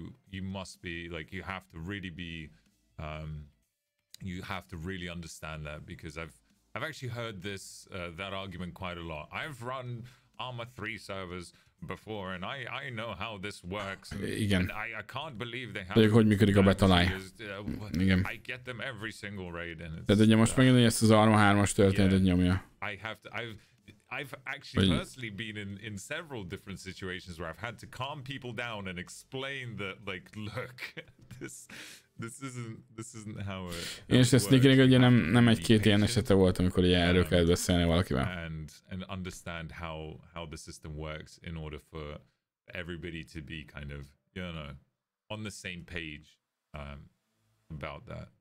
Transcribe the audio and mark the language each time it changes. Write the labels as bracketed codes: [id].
[en] You must be, like, you have to really be, you have to really understand that, because I've actually heard this, that argument quite a lot. I've run Armor 3 servers before, and I know how this works. [hu] Igen. [en] And I can't believe they have... [hu] Hogy működik a battle eye. Igen. [en] I get them every single raid, and it's... [hu] Tehát most megint, hogy ezt az Armor 3-as történetet nyomja. [en] I've actually personally been in several different situations where I've had to calm people down and explain that, like, look, this isn't how it works. [hu] Én is Nikinek, ugye nem egy-két ilyen esete volt, amikor ilyen erről kellett beszélni valakivel. [en] And understand how the system works in order for everybody to be kind of, you know, on the same page about that.